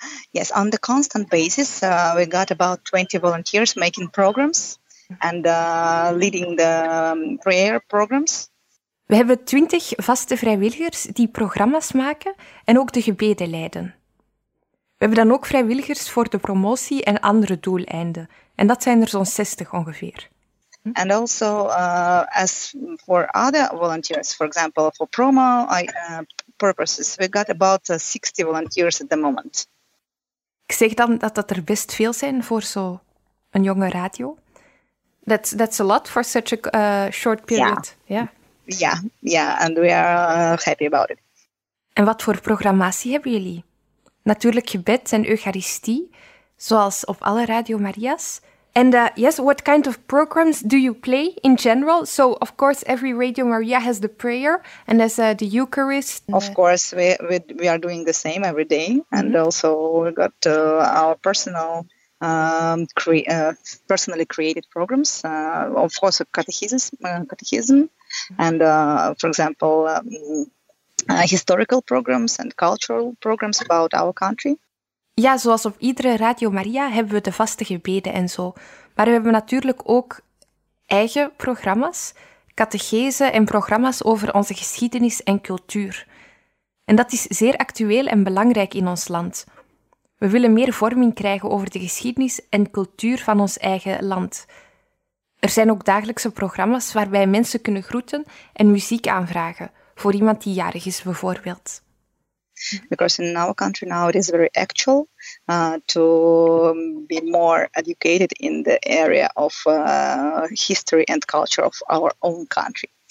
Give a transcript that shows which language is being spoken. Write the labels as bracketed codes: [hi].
[en] Yes, on the constant basis, we got about 20 volunteers making programs and leading the prayer programs. [nl] We hebben 20 vaste vrijwilligers die programma's maken en ook de gebeden leiden. We hebben dan ook vrijwilligers voor de promotie en andere doeleinden. En dat zijn er zo'n 60 ongeveer. [en] And also as for other volunteers, for example, for promo purposes, we got about 60 volunteers at the moment. [nl] Ik zeg dan dat er best veel zijn voor zo'n jonge radio. [en] That's a lot for such a short period. And we are happy about it. [nl] En wat voor programmatie hebben jullie? Natuurlijk gebed en eucharistie, zoals op alle Radio Maria's. [en] And what kind of programs do you play in general? So, of course, every Radio Maria has the prayer and has the Eucharist. Of course, we are doing the same every day. And also we got our personally created programs. Of course, catechism. And, for example, historical programs and cultural programs about our country. [nl] Ja, zoals op iedere Radio Maria hebben we de vaste gebeden en zo. Maar we hebben natuurlijk ook eigen programma's, catechese en programma's over onze geschiedenis en cultuur. En dat is zeer actueel en belangrijk in ons land. We willen meer vorming krijgen over de geschiedenis en cultuur van ons eigen land. Er zijn ook dagelijkse programma's waarbij mensen kunnen groeten en muziek aanvragen, voor iemand die jarig is bijvoorbeeld. [en] Because in our country now it is very actual to be more educated in the area of history and culture of our own country.